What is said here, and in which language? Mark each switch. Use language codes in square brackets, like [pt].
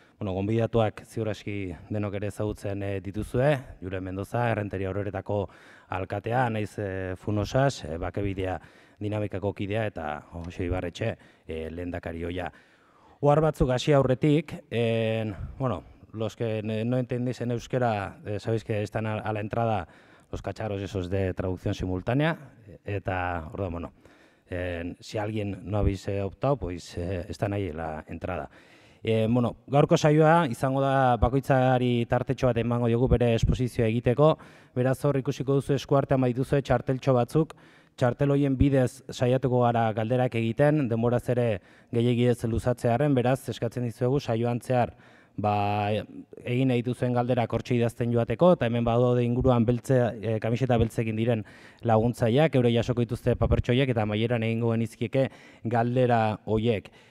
[eu] Bueno, gonbidatuak ziur aski denok ere ezagutzen dituzue, Jure Mendoza, Errenteria Ororetako alkatea, naiz Funosas, Bakebidea Dinamikako kidea eta Jose Ibarretxe lehendakari hoia. Ohar batzuk hasi aurretik, bueno, [es] los que no entendéis en euskera, sabéis que están a la entrada los cacharros esos de traducción simultánea. [eu] Eta, orduan, [es] bueno, si alguien no habéis optado, pues están ahí la entrada. [eu] Bueno, gaurko saioa izango da bakoitzari tartetxo bat emango diogu bere esposizioa egiteko. Beraz hor ikusiko duzu eskuartean badituzue txarteltxo batzuk. Txartel hoien bidez saiatuko gara galderak egiten, denboraz ere gehiegi ez luzatzearen, beraz eskatzen dizuegu saioan zehar ba egin nahi duzuen galderak hortxe idazten joateko eta hemen badaude inguruan beltze kamiseta beltzekin diren laguntzaileak euro jasoko dituzte papertxo hoiek eta amaieran egingo genizkieke galdera hoiek.